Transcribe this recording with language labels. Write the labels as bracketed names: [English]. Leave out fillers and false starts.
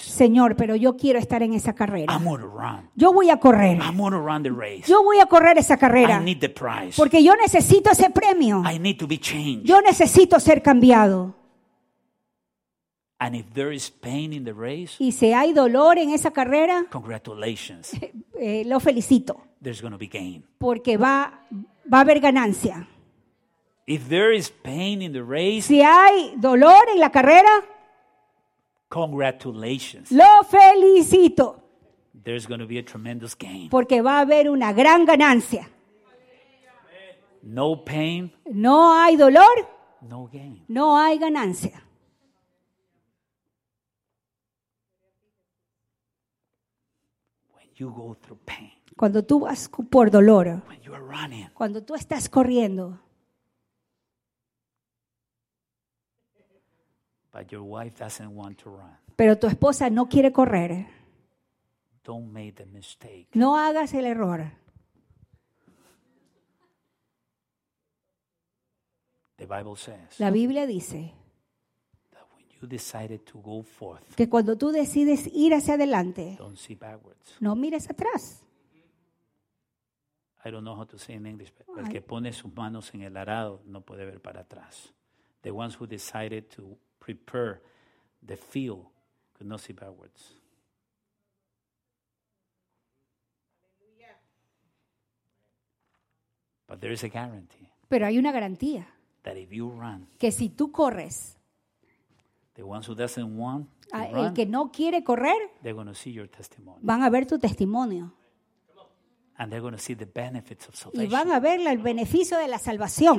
[Spanish] Señor, pero yo quiero estar en esa carrera. [English] I'm gonna run. [Spanish] Yo voy a correr. [English] I'm gonna run the race. [Spanish] Yo voy a correr esa carrera. [English] I need the prize. [Spanish] Porque yo necesito ese premio. [English] I need to be changed. [Spanish] Yo necesito ser cambiado. [English] And if there is pain in the race, [Spanish] y si hay dolor en esa carrera, [English] congratulations. [Spanish] Lo felicito. [English] There's gonna be gain. [Spanish] Porque va a haber ganancia. [English] If there is pain in the race, [Spanish] si hay dolor en la carrera, [English] congratulations. [Spanish] Lo felicito. [English] There's going to be a tremendous gain. [Spanish] Porque va a haber una gran ganancia. [English] No pain. [Spanish] No hay dolor. [English] No gain. [Spanish] No hay ganancia. [English] When you go through pain. [Spanish] Cuando tú vas por dolor. [English] When you are running. [Spanish] Cuando tú estás corriendo. [English] But your wife doesn't want to run. [Spanish] Pero tu esposa no quiere correr. [English] Don't make the mistake. [Spanish] No hagas el error. [English] The Bible says, [Spanish] la Biblia dice, [English] that when you decided to go forth, [Spanish] que cuando tú decides ir hacia adelante, [English] don't see backwards. [Spanish] No mires atrás. [English] I don't know how to say in English, but [Spanish] el que pone sus manos en el arado no puede ver para atrás. [English] The ones who decided to prepare the field could not see backwards. But there is a guarantee. [Spanish] Pero hay una garantía. [English] That if you run, [Spanish] que si tú corres, [English] the ones who doesn't want to run, [Spanish] el que no quiere correr, [English] they're going to see your testimony. [Spanish] Van a ver tu testimonio. [English] And they're going to see the benefits of salvation. [Spanish] Y van a ver el beneficio de la salvación.